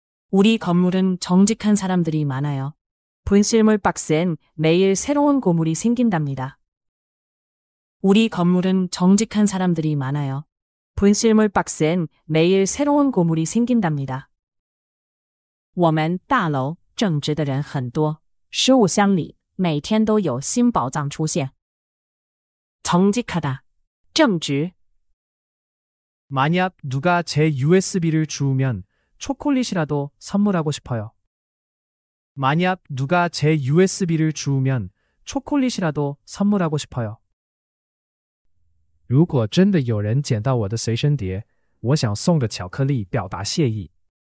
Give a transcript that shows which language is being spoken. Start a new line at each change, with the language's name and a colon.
Korean: 우리건물은정직한사람들이많아요분실물박스엔매일새로운고물이생긴답니다우리건물은정직한사람들이많아요분실물박스엔매일새로운고물이생긴답니다
Chinese: 我们大楼正直的人很多失物箱里每天都有新宝藏出现
Korean: 정직하다正直 만약 누가 제 USB를 주우면 초콜릿이라도 선물하고 싶어요. 만약 누가 제 USB를 주우면 초콜릿이라도 선물하고 싶어요.
Chinese: 如果真的有人捡到我的随身碟，我想送个巧克力表达谢意。